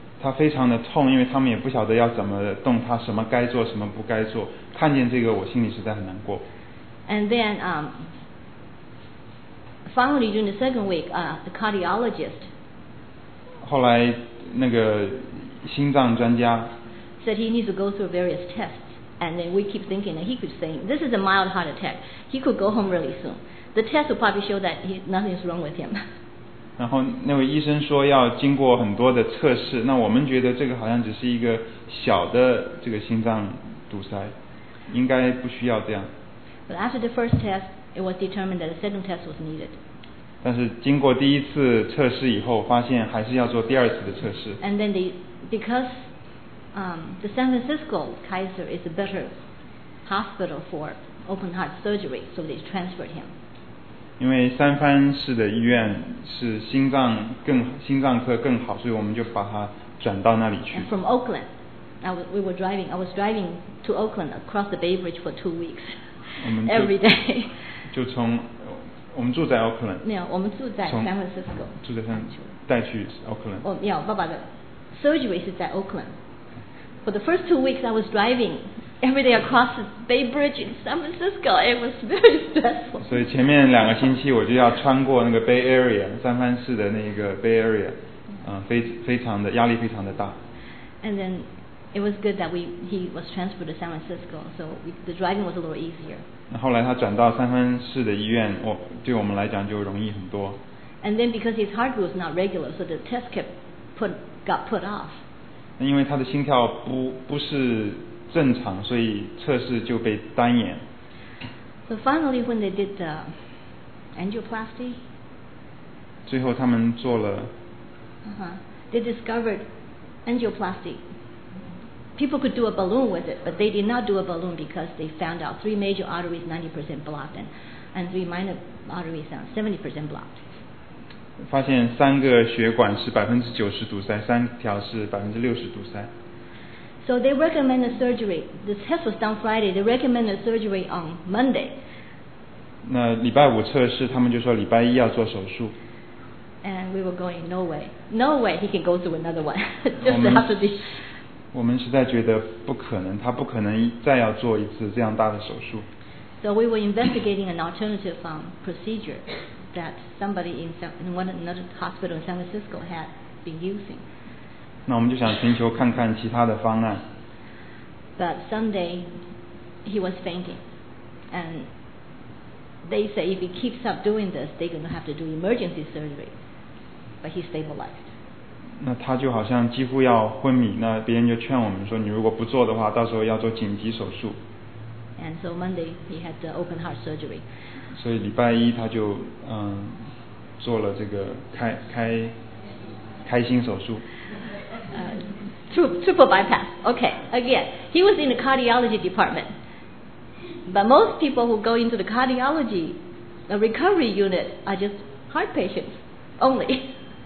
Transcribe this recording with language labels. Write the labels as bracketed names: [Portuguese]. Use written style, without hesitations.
[Chinese] 他非常的痛，因为他们也不晓得要怎么动他，什么该做，什么不该做。看见这个，我心里实在很难过。 [English] And then, finally during the second week, the cardiologist. [Chinese] 后来那个心脏专家 [English] said he needs to go through various tests. And then we keep thinking that he could say, this is a mild heart attack. He could go home really soon. The test will probably show that nothing is wrong with him. [Chinese] 然后那位医生说要经过很多的测试，那我们觉得这个好像只是一个小的这个心脏堵塞，应该不需要这样。 [English] But after the first test, it was determined that a second test was needed. [Chinese] 但是经过第一次测试以后，发现还是要做第二次的测试。 [English] And then because the San Francisco Kaiser is a better hospital for open heart surgery, so they transferred him. [Chinese] 因为三藩市的医院是心脏科更好，所以我们就把它转到那里去。 [English] And from Oakland, I was driving to Oakland across the Bay Bridge for 2 weeks every day. [Chinese] 就从我们住在 Oakland。没有，我们住在 San Francisco。住在 San Francisco 带去 Oakland。哦，没有，爸爸的 surgery 是在 Oakland。 [English] For the first 2 weeks, I was driving every day across the Bay Bridge in San Francisco. It was very stressful. [Chinese] 所以前面两个星期我就要穿过那个 Bay Area， 三藩市的那个 Bay Area， 非常的压力非常的大。 [English] And then it was good that he was transferred to San Francisco, so the driving was a little easier. [Chinese] 后来他转到三藩市的医院，对我们来讲就容易很多。 [English] And then because his heart was not regular, so the test got put off. [Chinese] 因为他的心跳不是正常，所以测试就被单延。 [English] So finally, when they did the angioplasty, [Chinese] 最后他们做了。 [English] They discovered angioplasty. People could do a balloon with it, but they did not do a balloon because they found out 3 major arteries 90% blocked and 3 minor arteries 70% blocked. [Chinese] 发现三个血管是90%堵塞，三条是60%堵塞。 [English] So they recommend a surgery. The test was done Friday. They recommend a surgery on Monday. [Chinese] 那礼拜五测试，他们就说礼拜一要做手术。 [English] And we were going, no way. No way he can go through another one. Just after this. [Chinese] 我们实在觉得不可能，他不可能再要做一次这样大的手术。 [English] So we were investigating an alternative procedure that somebody in another hospital in San Francisco had been using. [Chinese] 那我们就想寻求看看其他的方案。 [English] But someday he was fainting, and they say if he keeps up doing this, they're going to have to do emergency surgery. But he stabilized. [Chinese] 那他就好像几乎要昏迷，那别人就劝我们说，你如果不做的话，到时候要做紧急手术。 [English] And so Monday he had the open heart surgery. [Chinese] 所以礼拜一他就做了这个开心手术。 [English] Triple bypass. Okay, again, he was in the cardiology department. But most people who go into the cardiology, the recovery unit, are just heart patients only.